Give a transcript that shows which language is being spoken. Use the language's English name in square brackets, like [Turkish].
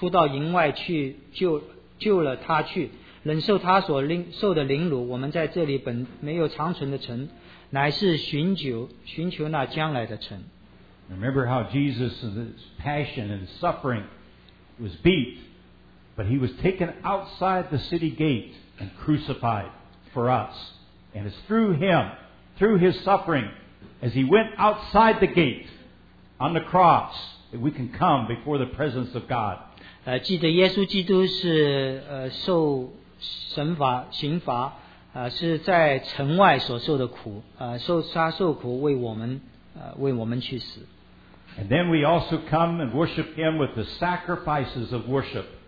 [Chinese] 13章11节到14节讲到敬拜的道路，原来牲畜的血被大祭司带入圣所做赎罪祭，牲畜的身子被烧在营外，所以耶稣也要用自己的血叫百姓成圣，也就在城外受苦。这样我们也当出到营外去救了他去。忍受他所受的凌辱，我们在这里没有长存的城，乃是寻求那将来的城。 [English] Remember how Jesus in his passion and suffering was beat, but he was taken outside the city gate and crucified for us. And it's through him, through his suffering, as he went outside the gate on the cross, that we can come before the presence of God. [Chinese] 记得耶稣基督是受 神罚刑罚是在城外所受的苦，受他受苦为我们去死。 [English] And then we also come and worship him with the sacrifices of worship.